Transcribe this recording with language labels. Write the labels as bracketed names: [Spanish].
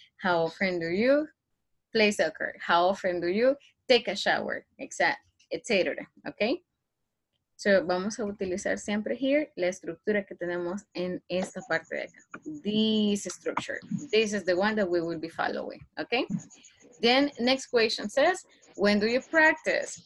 [English] How often do you play soccer? How often do you take a shower? Exactly. Etc. Okay? [Spanish] So, vamos a utilizar siempre here la estructura que tenemos en esta parte de acá. [English] This structure. This is the one that we will be following. Okay? Then, next question says, when do you practice?